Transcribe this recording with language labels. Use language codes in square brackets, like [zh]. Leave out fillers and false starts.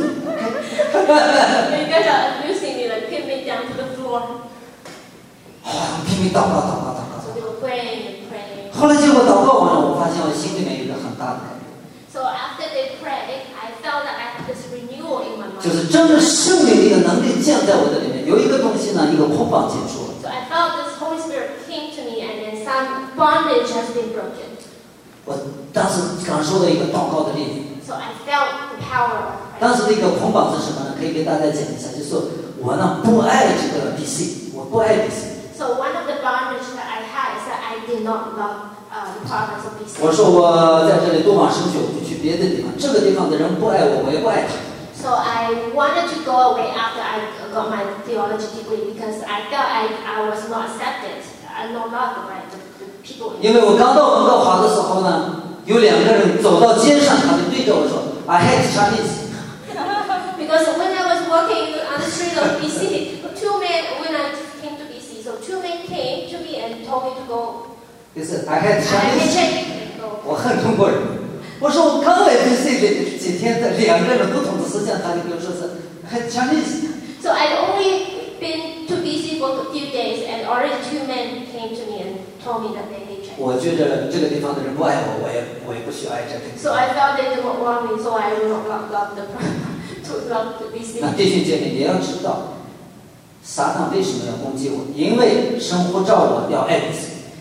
[en] You guys are abusing me, like pin me down to the floor。 [zh] 哇，拼命祷告祷告祷告。 [en] So they were praying and praying. [zh] 后来结果祷告完了，我发现我心里面有一个很大的改变。 [en] So after they prayed, I felt that I had this renewal in my mind. [zh] 就是真的圣灵的一个能力降在我的里面，有一个东西呢，一个捆绑解除了。 [en] So I felt this Holy Spirit came to me, and then some bondage has been broken. [zh] 我当时感受到一个祷告的力量。 [en] So I felt the power. [zh] 当时的一个捆绑是什么呢？可以给大家讲一下，就是我呢不爱这个 BC， 我不爱 BC。 [en] So one of the bondage that I had is that I did not love. [zh] 我说我在这里读完神学，我就去别的地方。这个地方的人不爱我，我也不爱他。 [en] So I wanted to go away after I got my theology degree because I felt I was not accepted, I'm not loved by the people. [zh] 因为我刚到温哥华的时候呢，有两个人走到街上，他就对着我说 ， [en] I hate Chinese. Because when I was walking on the street of BC, two men when I came to BC, so two men came to me and told me to go. [zh] 就是 [en] I hate Chinese， [zh] 我恨中国人。我说我刚来 BC 的几天的两个人不同的思想，他就跟我说是 I hate Chinese。 [en] So I'd only been to BC for a few days, and already two men came to me and told me that they hate Chinese。 [zh] 我觉得这个地方的人不爱我，我也不需要爱这个地方。 [en] So I felt they don't want me, so I will not love the to love the BC。 [zh] 那弟兄姐妹，你要知道，撒旦为什么要攻击我？因为神呼召我要爱 BC。